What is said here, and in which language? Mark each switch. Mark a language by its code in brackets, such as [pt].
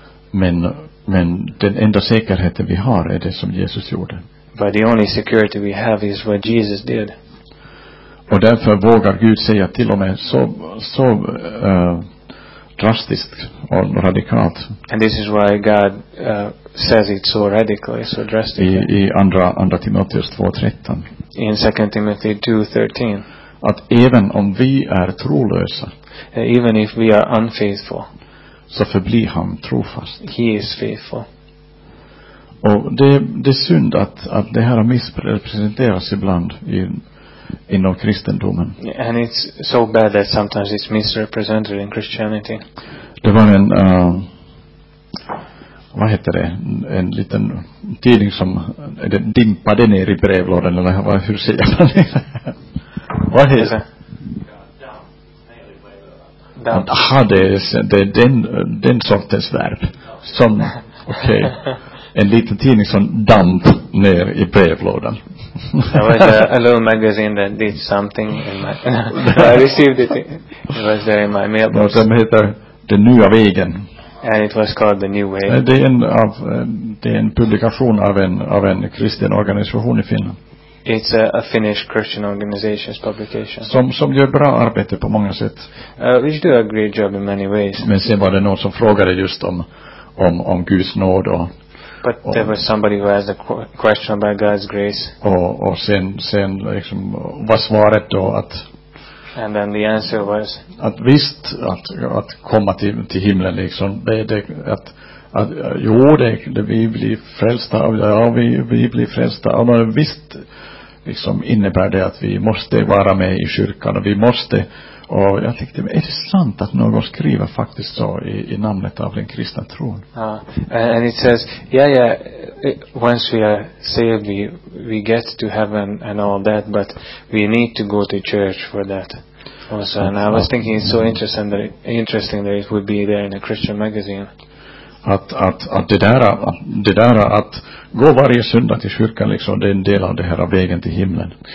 [sv] Men den enda säkerheten vi har är det som Jesus gjorde. [en] But the only security we have is what Jesus did. [sv] Och därför vågar Gud säga till och med så drastiskt och radikalt. [en] And this is why God says it so radically, so drastically. [sv] I andra Timoteus 2:13. [en] In 2 Timothy 2:13. [sv] Att även om vi är trolösa, [en] even if we are unfaithful, [sv] så förblir han trofast. [en] He is faithful. [sv] Och det är synd att det här har misrepresenterats ibland inom kristendomen. [en] And it's so bad that sometimes it's misrepresented in Christianity. [sv] Det var en vad heter det? En liten tidning som dimpade ner i brevlådan, eller hur säger man det? Vad heter det? [en] Down. [sv] Aha, det är den sortens verb. Som, okej. Okay. En liten tidning som damp ner i brevlådan. [en] There was a little magazine that did something in my I received it. It was there in my mailbox. [sv] No, som heter The New Vegan. [en] And it was called The New Way. [sv] Det är en publikation av en kristen organisation i Finland. [en] It's a Finnish Christian organization's publication. [sv] Som gör bra arbete på många sätt. [en] Which do a great job in many ways. [sv] Men sen var det någon som frågade just om Guds nåd och. [en] But there was somebody who asked a question about God's grace. [sv] Och sen liksom, vad svaret då att. [en] And then the answer was. [sv] Att visst att komma till himlen liksom, det att. Att, jo, det vi blir frälsta av, ja, vi blir frälsta av, men visst liksom innebär det att vi måste vara med i kyrkan och vi måste, och jag tänkte, är det sant att någon skriver faktiskt så i namnet av den kristna tron? [en] Ja, and it says yeah, once we are saved we get to heaven and all that, but we need to go to church for that. Also, and I was thinking it's so interesting that it would be there in a Christian magazine. [sv] Att gå varje söndag till kyrkan liksom, det är en del av det här vägen till himlen.